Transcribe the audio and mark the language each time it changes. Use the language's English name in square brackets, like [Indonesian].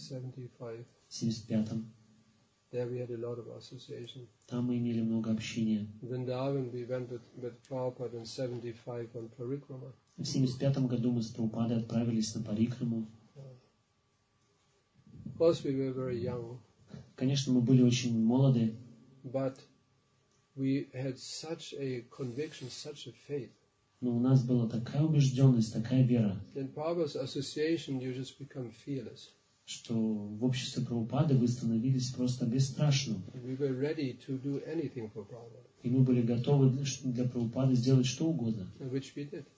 [Russian] 75-м. Там мы имели много общения. В Вриндаван мы [English] went with Prabhupada in 75 on Parikrama. [Russian] В 75-м году мы с Прабхупадой отправились на Парикраму. [English] Of course we were very young. [Russian] Конечно, мы были очень молоды. [English] But we had such a conviction, such a faith. [Russian] Но у нас была такая убежденность, такая вера, [English] in Prabhupada's association, you just become fearless. [Russian] Что в обществе Прабхупады вы становились просто бесстрашным. [English] We were ready to do anything for Prabhupada. [Russian] И мы были готовы для Прабхупады сделать что угодно. [English] Which we did.